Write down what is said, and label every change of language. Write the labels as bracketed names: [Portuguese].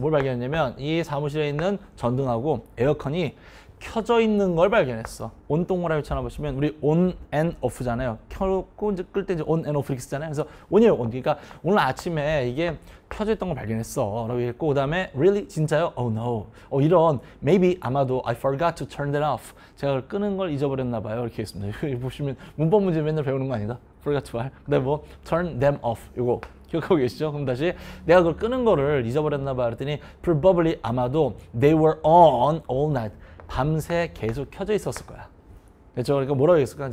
[Korean] 뭘 발견했냐면 이 사무실에 있는 전등하고 에어컨이 켜져 있는 걸 발견했어. 온 동그라미 쳐놔보시면 우리 on and off잖아요. 켜고 이제 끌 때 이제 on and off 이렇게 쓰잖아요. 그래서 on이에요. on. 그러니까 오늘 아침에 이게 켜져 있던 걸 발견했어. 라고 했고 그 다음에 [English] really? [Korean] 진짜요? [English] oh no. [Korean] 이런 [English] maybe [Korean] 아마도 [English] I forgot to turn that off. [Korean] 제가 끄는 걸 잊어버렸나 봐요. 이렇게 했습니다. 여기 보시면 문법 문제 맨날 배우는 거 아니다. [English] forgot to why. [Korean] 근데 뭐 [English] turn them off. [Korean] 이거 기억하고 계시죠? 그럼 다시 내가 그걸 끄는 거를 잊어버렸나 봐. 그랬더니 [English] probably [Korean] 아마도 [English] they were on all night. [Korean] 밤새 계속 켜져 있었을 거야. 그렇죠? 그러니까 뭐라고 했을까?